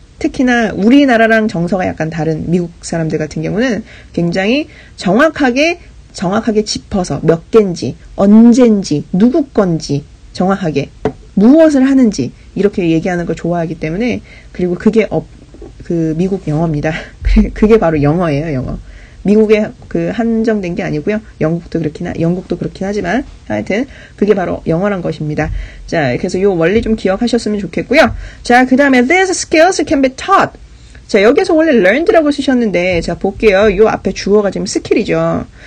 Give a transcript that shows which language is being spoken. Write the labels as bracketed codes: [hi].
[ko] 특히나 우리나라랑 정서가 약간 다른 미국 사람들 같은 경우는 굉장히 정확하게 짚어서 몇 개인지, 언젠지, 누구 건지 정확하게 무엇을 하는지 이렇게 얘기하는 걸 좋아하기 때문에 그리고 그게 그 미국 영어입니다. 그게 바로 영어예요, 영어. 미국에 그 한정된 게 아니고요. 영국도 그렇긴 하지만 하여튼 그게 바로 영어란 것입니다. 자, 그래서 요 원리 좀 기억하셨으면 좋겠고요. 자, 그 다음에 [en] these skills can be taught. [ko] 자, 여기에서 원래 learned라고 쓰셨는데 자, 볼게요. 요 앞에 주어가 지금 skill이죠.